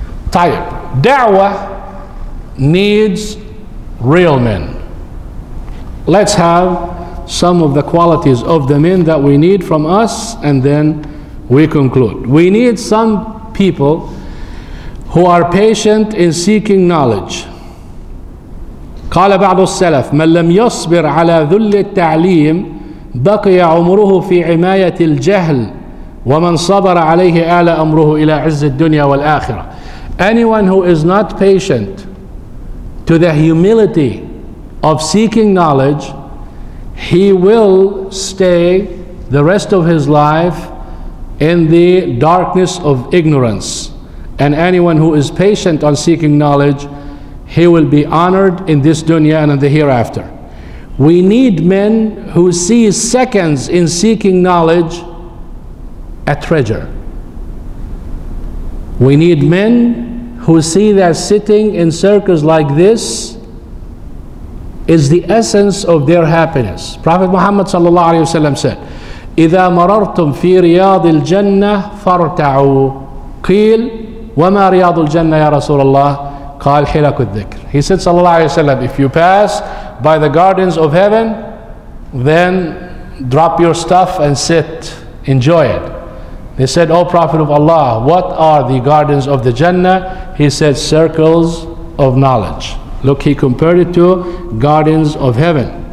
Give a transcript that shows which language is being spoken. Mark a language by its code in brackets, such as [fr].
[ar] طيب, [en] da'wah needs real men. Let's have some of the qualities of the men that we need from us, and then We conclude. We need some people who are patient in seeking knowledge. [ar] قال بعض السلف من لم يصبر على ذل التعليم بقي عمره في عماية الجهل ومن صبر عليه آل أمره إلى عز الدنيا والآخرة. [en] Anyone who is not patient to the humility of seeking knowledge, he will stay the rest of his life in the darkness of ignorance. And anyone who is patient on seeking knowledge, he will be honored in this dunya and in the hereafter. We need men who see seconds in seeking knowledge a treasure. We need men who see that sitting in circles like this is the essence of their happiness. Prophet Muhammad sallallahu alaihi wasallam said, [ar] "إذا مررتم في رياض الجنة فارتعوا قيل وما رياض الجنة يا رسول الله قال حلق الذكر." [en] He said sallallahu alaihi wasallam, "If you pass by the gardens of heaven, then drop your stuff and sit, enjoy it." They said, "O Prophet of Allah, what are the gardens of the Jannah?" He said, "Circles of knowledge." Look, he compared it to gardens of heaven.